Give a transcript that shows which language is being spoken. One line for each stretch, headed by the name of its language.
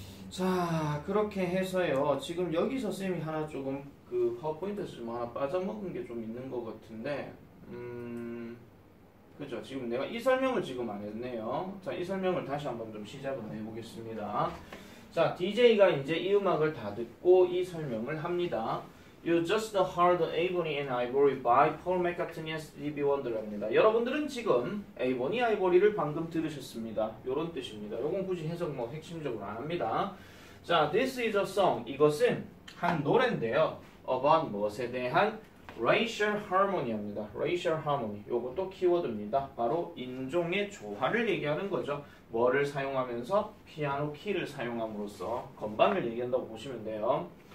Korean: 자, 그렇게 해서요, 지금 여기서 쌤이 하나 조금 그 파워포인트에서 좀 하나 빠져먹은 게 좀 있는 것 같은데, 그죠? 지금 내가 이 설명을 지금 안 했네요. 자, 이 설명을 다시 한번 좀 시작을 해보겠습니다. 자, DJ가 이제 이 음악을 다 듣고 이 설명을 합니다.
English: You just heard Ebony and Ivory by Paul McCartney and Stevie Wonder입니다.
Korean: 여러분들은 지금 Ebony Ivory를 방금 들으셨습니다. 이런 뜻입니다. 이건 굳이 해석 뭐 핵심적으로 안 합니다. 자,
English: This is a song.
Korean: 이것은 한 노래인데요. About 무엇에 대한 Racial Harmony입니다. Racial Harmony. 이것도 키워드입니다. 바로 인종의 조화를 얘기하는 거죠. 뭐를 사용하면서 피아노 키를 사용함으로써 건반을 얘기한다고 보시면 돼요.